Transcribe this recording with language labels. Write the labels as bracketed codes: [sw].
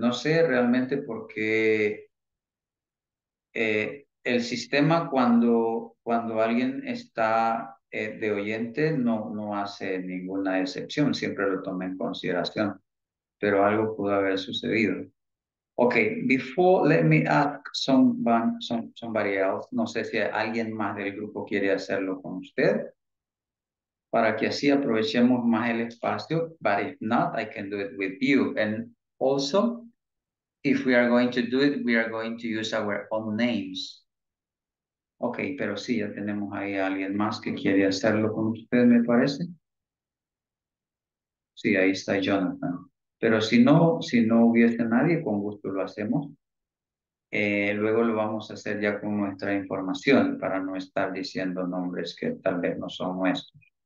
[es] No sé realmente por qué el sistema cuando alguien está de oyente no hace ninguna excepción. Siempre lo tomé en consideración, pero algo pudo haber sucedido. [en] Okay, before, let me ask somebody else. [es] No sé si alguien más del grupo quiere hacerlo con usted. Para que así aprovechemos más el espacio. [en] But if not, I can do it with you. And also, if we are going to do it, we are going to use our own names. [es] Okay, pero sí, ya tenemos ahí a alguien más que quiere hacerlo con usted, me parece. Sí, ahí está Jonathan. Pero si no hubiese nadie, con gusto lo hacemos. Luego lo vamos a hacer ya con nuestra información para no estar diciendo nombres que tal vez no son nuestros.